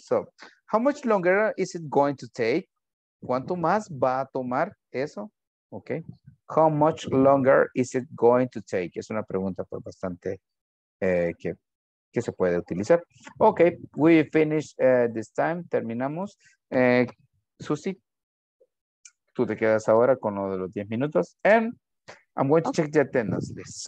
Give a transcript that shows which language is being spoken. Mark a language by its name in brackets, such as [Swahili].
[English] So, how much longer is it going to take? [Spanish] ¿Cuánto más va a tomar eso? [English] Okay. How much longer is it going to take? [Spanish] Es una pregunta por bastante que se puede utilizar. Okay, [English] we finish this time. [Spanish] Terminamos. Susi, tú te quedas ahora con lo de los 10 minutos. [English] And I'm going to check the attendance list.